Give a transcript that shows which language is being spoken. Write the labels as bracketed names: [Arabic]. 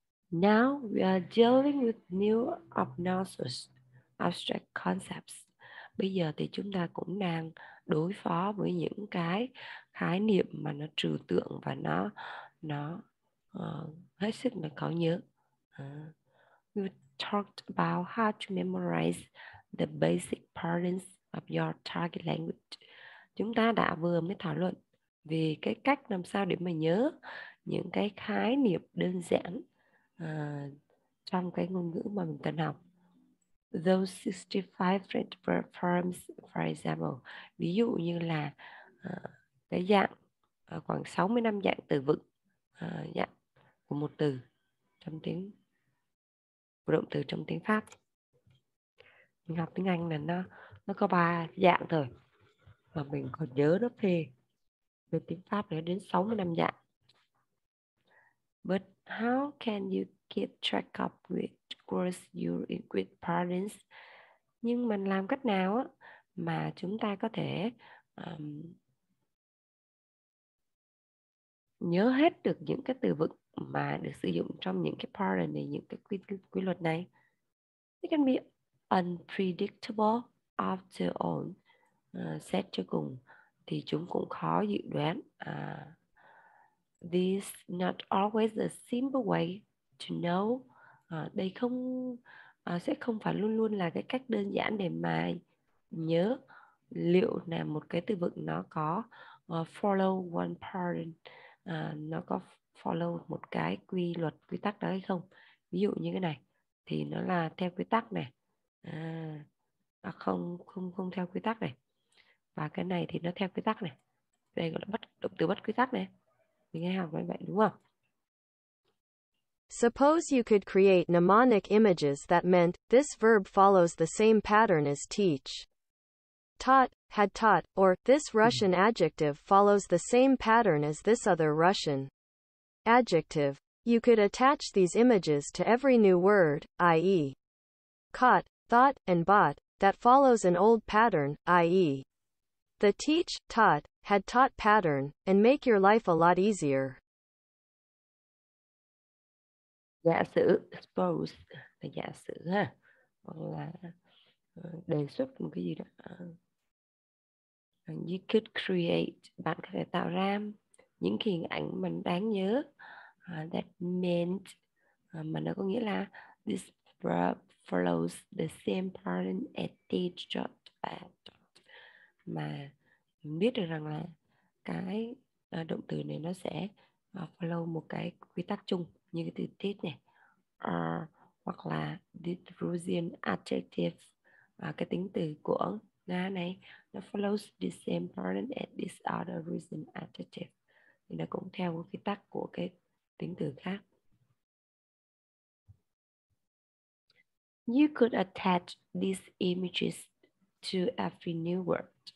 [English] Now we are dealing with new obnoxious abstract concepts. [Vietnamese] Bây giờ thì chúng ta cũng đang đối phó với những cái khái niệm mà nó trừu tượng và nó hết sức là khó nhớ. [English] We talked about how to memorize the basic patterns of your target language. [Vietnamese] Chúng ta đã vừa mới thảo luận về cái cách làm sao để mà nhớ những cái khái niệm đơn giản trong cái ngôn ngữ mà mình cần học. [English] Those 65 French verb forms, for example, [Vietnamese] ví dụ như là cái dạng khoảng 65 dạng từ vựng dạng của một từ trong tiếng, của động từ trong tiếng Pháp. Mình học tiếng Anh là nó có 3 dạng thôi, mà mình còn nhớ nó phê. Về tiếng Pháp nó đến 65 dạng. [English] But how can you keep track of which words you equate patterns? [Vietnamese] Nhưng mình làm cách nào á mà chúng ta có thể nhớ hết được những cái từ vựng mà được sử dụng trong những cái pattern này, những cái quy luật này? [English] It can be unpredictable after all. [Vietnamese] Xét cho cùng thì chúng cũng khó dự đoán. [English] This not always a simple way to know. [Vietnamese] Đây không sẽ không phải luôn luôn là cái cách đơn giản để mà nhớ liệu là một cái từ vựng nó có [English] follow one pattern, [Vietnamese] nó có follow một cái quy luật quy tắc đó hay không. Ví dụ như cái này thì nó là theo quy tắc này, không theo quy tắc này, và cái này thì nó theo quy tắc này. Đây gọi là bất động từ bất quy tắc này. Nghe học nói vậy đúng không? [English] Suppose you could create mnemonic images that meant this verb follows the same pattern as teach, taught, had taught, or this Russian adjective follows the same pattern as this other Russian adjective. You could attach these images to every new word, i.e. caught, thought, and bought, that follows an old pattern, i.e. the teach, taught, had taught pattern, and make your life a lot easier. [Vietnamese] Giả sử, suppose là giả sử ha, hoặc là đề xuất một cái gì đó. [English] You could create, [Vietnamese] bạn có thể tạo ra những hình ảnh mà đáng nhớ, [English] that meant, [Vietnamese] mà nó có nghĩa là [English] this verb follows the same pattern at teach, taught, taught, [Vietnamese] mà mình biết được rằng là cái động từ này nó sẽ follow một cái quy tắc chung như cái từ teach này, hoặc là [English] the Russian adjective, [Vietnamese] cái tính từ của Nga này nó [English] follows the same pattern as this other Russian adjective, [Vietnamese] thì nó cũng theo quy tắc của cái tính từ khác. [English] You could attach these images to every new word.